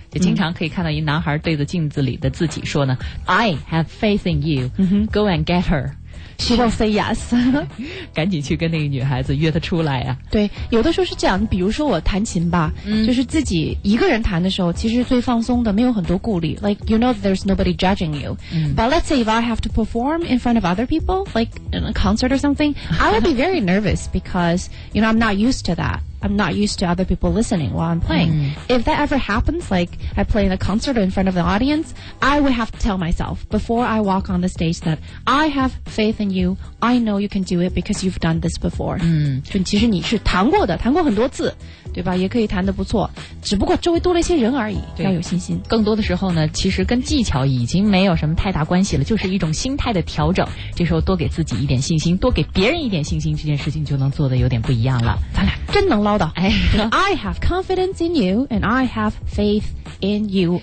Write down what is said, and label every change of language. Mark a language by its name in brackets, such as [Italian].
[Chinese] 就经常可以看到一男孩对着镜子里的自己说呢， [English] I have faith in you. Go and get her. She will say yes. [Chinese] 赶紧去跟那个女孩子约她出来啊。对，有的时候是这样，比如说我弹琴吧，就是自己一个人弹的时候其实最放松的，没有很多顾虑。 [English] Like, you know there's nobody judging you. But let's say if I have to perform in front of other people, like in a concert or something, I would be very nervous because, you know, I'm not used to that. I'm not used to other people listening while I'm playing. Mm. If that ever happens, like I play in a concert or in front of the audience, I would have to tell myself before I walk on the stage that I have faith in you. I know you can do it because you've done this before. [Chinese] 嗯，其实你是弹过的，弹过很多次，对吧？也可以弹得不错，只不过周围多了一些人而已。要有信心。更多的时候呢，其实跟技巧已经没有什么太大关系了，就是一种心态的调整。这时候多给自己一点信心，多给别人一点信心，这件事情就能做得有点不一样了。咱俩真能唠叨。 [English] 哎，I have confidence in you, and I have faith in you.